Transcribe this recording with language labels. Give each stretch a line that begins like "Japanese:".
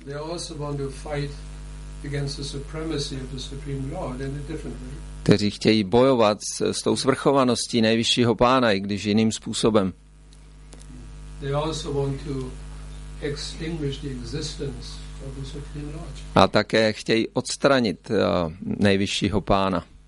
English: They also want to fight against the supremacy of the Supreme Lord in a different way.
Czech: Kteří chtějí bojovat s tou svrchovaností nejvyššího pána, i když jiným způsobem.
English: They also want to extinguish the existence of the Supreme Lord.
Czech: A také chtějí odstranit nejvyššího pána.